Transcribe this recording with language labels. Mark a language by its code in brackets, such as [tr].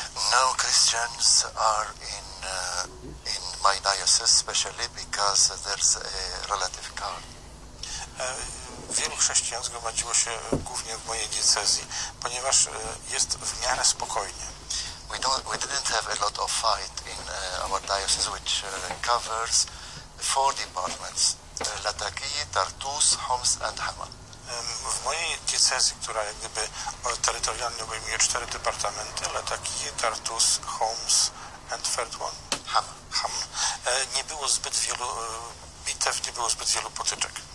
[en] Now Christians are in my diocese, especially because there's a relative calm. [pl] Wielu chrześcijan zgromadziło się głównie w mojej diecezji, ponieważ jest w miarę spokojnie. [en] We didn't have a lot of fight in our diocese, which covers four departments: Latakia, Tartus, Homs and Hama. [pl] W mojej diecezji, która jak gdyby terytorialnie obejmuje cztery departamenty, Latakia, Tartus, Homs [en] and third one, [pl] Ham. Nie było zbyt wielu bitew, nie było zbyt wielu potyczek.